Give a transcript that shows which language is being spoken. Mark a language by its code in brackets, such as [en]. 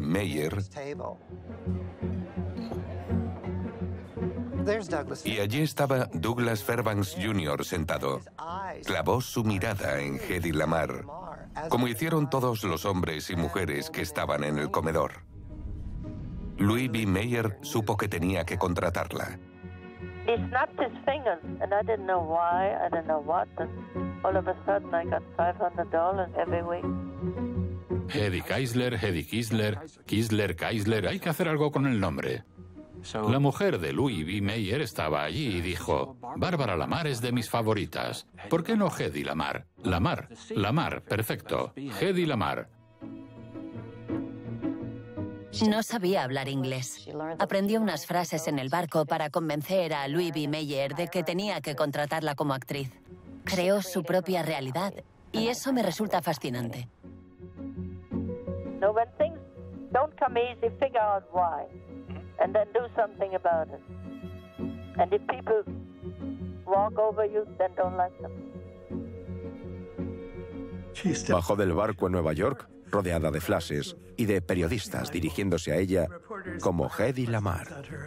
[es] Mayer y allí estaba Douglas Fairbanks Jr. sentado. Clavó su mirada en Hedy Lamarr, como hicieron todos los hombres y mujeres que estaban en el comedor. Louis B. Mayer supo que tenía que contratarla. [en] He snapped his fingers, and I didn't know why, I didn't know what, and all of a sudden I got $500 every week. [es] Hedy Kaisler, Hedy Kisler, Kisler Kaisler, hay que hacer algo con el nombre. La mujer de Louis B. Mayer estaba allí y dijo, Bárbara Lamarr es de mis favoritas. ¿Por qué no Hedy Lamarr? Lamarr, Lamarr, perfecto, Hedy Lamarr. No sabía hablar inglés. Aprendió unas frases en el barco para convencer a Louis B. Mayer de que tenía que contratarla como actriz. Creó su propia realidad y eso me resulta fascinante. [en] No, when things don't come easy, figure out why and then do something about it. And if people walk over you, then don't let them. [es] Bajó del barco en Nueva York, rodeada de flashes y de periodistas dirigiéndose a ella como Hedy Lamarr.